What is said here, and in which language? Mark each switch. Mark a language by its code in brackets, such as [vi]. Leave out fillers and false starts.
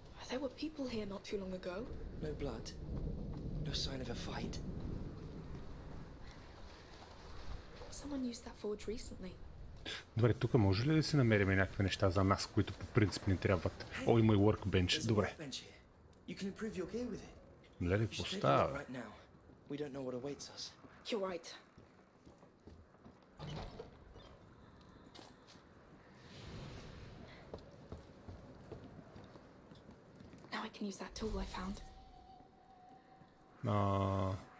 [en] There were people here not too long ago. No blood. No sign of a fight. Someone used that forge recently. [bg] Добре, тук може ли да си намерим някакви неща за нас, които по принцип ни трябват? О, има и workbench. Добре. [en] You can improve your gear with it. [bg] Леле, постава. [en] We don't know what awaits us. You're right. Now I can use that tool I found.